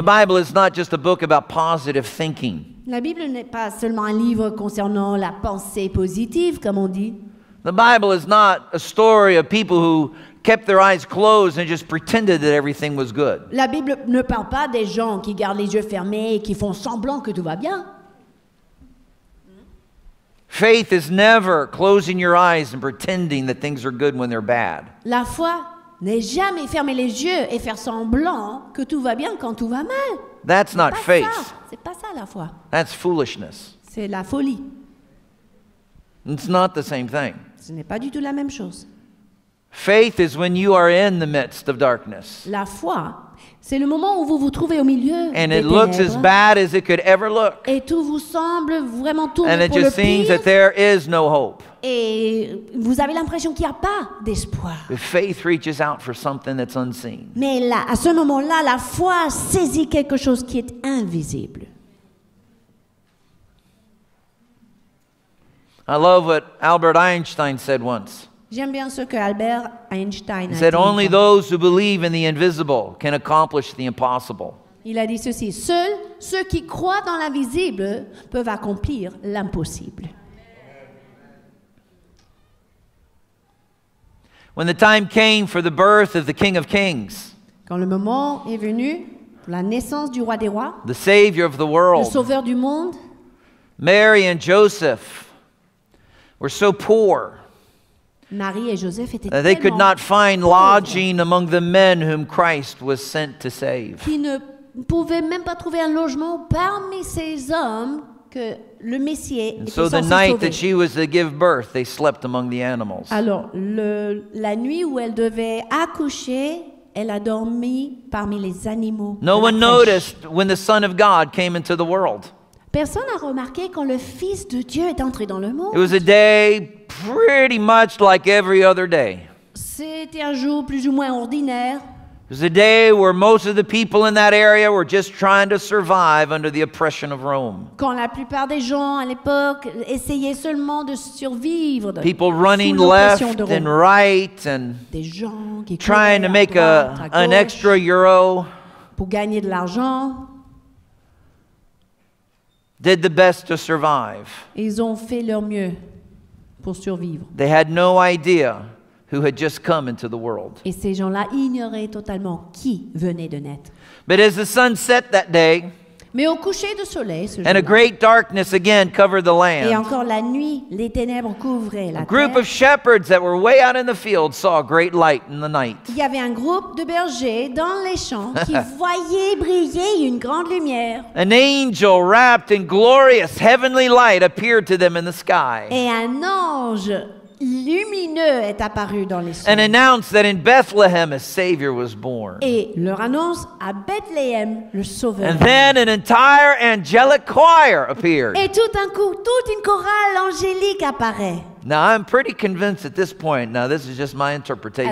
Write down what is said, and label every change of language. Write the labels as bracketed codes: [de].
[en] The Bible is not just a book about positive thinking. [fr] La Bible n'est pas seulement un livre concernant la pensée positive, comme on dit. [en] The Bible is not a story of people who kept their eyes closed and just pretended that everything was good. [fr] La Bible ne parle pas des gens qui gardent les yeux fermés et qui font semblant que tout va bien. [en] Faith is never closing your eyes and pretending that things are good when they're bad. [fr] La foi n'est jamais fermer les yeux et faire semblant que tout va bien quand tout va mal. [en] That's not faith. [fr] C'est pas ça la foi. [en] That's foolishness. [fr] C'est la folie. [en] It's not the same thing. [fr] Ce n'est pas du tout la même chose. [en] Faith is when you are in the midst of darkness. [fr] La foi, c'est le moment où vous vous trouvez au milieu des ténèbres. [en] And it looks as bad as it could ever look. [fr] Et tout vous semble vraiment tourner pour le [en] And it just seems that there is no hope. [fr] Et vous avez l'impression qu'il n'y a pas d'espoir. [en] But faith reaches out for something that's unseen. [fr] Mais là, à ce moment-là, la foi saisit quelque chose qui est invisible. [en] I love what Albert Einstein said once. [fr] J'aime bien ce que Albert Einstein a dit. [en] He said, "Only those who believe in the invisible can accomplish the impossible." [fr] Il a dit ceci: seuls ceux qui croient dans l'invisible peuvent accomplir l'impossible. [en] When the time came for the birth of the King of Kings, [fr] quand le moment est venu pour la naissance du roi des rois, [en] the Savior of the world, [fr] le sauveur du monde, [en] Mary and Joseph were so poor. [fr] Marie et Joseph étaient [en] they could not find lodging among the men whom Christ was sent to save. [fr] Ils ne pouvaient même pas trouver un logement parmi ces hommes que le Messie était censé sauver. [en] So the night that she was to give birth, they slept among the animals. [fr] Alors, la nuit où elle devait accoucher, elle a dormi parmi les animaux. [en] No one noticed when the Son of God came into the world. [fr] Personne n'a remarqué quand le Fils de Dieu est entré dans le monde. [en] It was a day pretty much like every other day. [fr] C'était un jour plus ou moins ordinaire. [en] It was a day where most of the people in that area were just trying to survive under the oppression of Rome. [fr] Quand la plupart des gens à l'époque essayaient seulement de survivre. [en] People running left and right and [fr] des gens qui [en] trying to make an extra euro [fr] pour gagner de l'argent. [en] Did the best to survive. [fr] Ils ont fait leur mieux pour survivre. [en] They had no idea who had just come into the world. [fr] Et ces gens-là ignoraient totalement qui venait de naître. [en] But as the sun set that day, [fr] mais au coucher de soleil, ce jour-là, [en] and a great darkness again covered the land, [fr] et encore la nuit, les ténèbres couvraient la terre, [en] a group of shepherds that were way out in the field saw a great light in the night. [fr] Il y avait un groupe de bergers dans les champs qui voyaient briller une grande lumière. [en] An angel wrapped in glorious heavenly light appeared to them in the sky. [fr] Et un ange lumineux est apparu dans les cieux. [en] And announced that in Bethlehem a Savior was born. [fr] Et leur annonce à Bethléem le Sauveur. [en] And then an entire angelic choir appeared. [fr] Et tout un coup, toute une chorale angélique apparaît. [en] Now I'm pretty convinced at this point. Now this is just my interpretation.